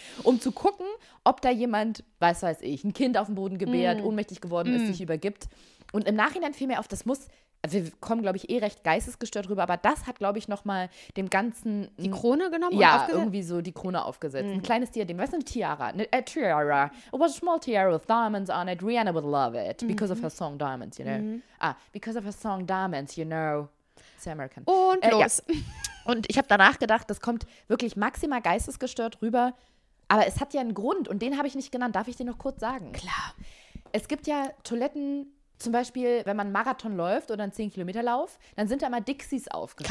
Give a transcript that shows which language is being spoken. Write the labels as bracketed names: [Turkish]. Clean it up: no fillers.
[German] Um zu gucken, ob da jemand, weiß ich, ein Kind auf dem Boden gebärt, ohnmächtig geworden ist, sich übergibt. Und im Nachhinein fiel mir auf, das muss... Also wir kommen, glaube ich, eh recht geistesgestört rüber, aber das hat, glaube ich, nochmal dem Ganzen... Die Krone genommen und aufgesetzt? Ja, irgendwie so die Krone aufgesetzt. Mhm. Ein kleines Diadem. Was ist eine Tiara? A Tiara. [English] It was a small tiara with diamonds on it. Rihanna would love it. Because of her song Diamonds, you know. Mhm. Ah, because of her song Diamonds, you know. It's American. [German] Und los. Ja. Und ich habe danach gedacht, das kommt wirklich maximal geistesgestört rüber. Aber es hat ja einen Grund und den habe ich nicht genannt. Darf ich den noch kurz sagen? Klar. Es gibt ja Toiletten... Zum Beispiel, wenn man einen Marathon läuft oder einen 10-Kilometer-Lauf, dann sind da immer Dixies aufgestellt.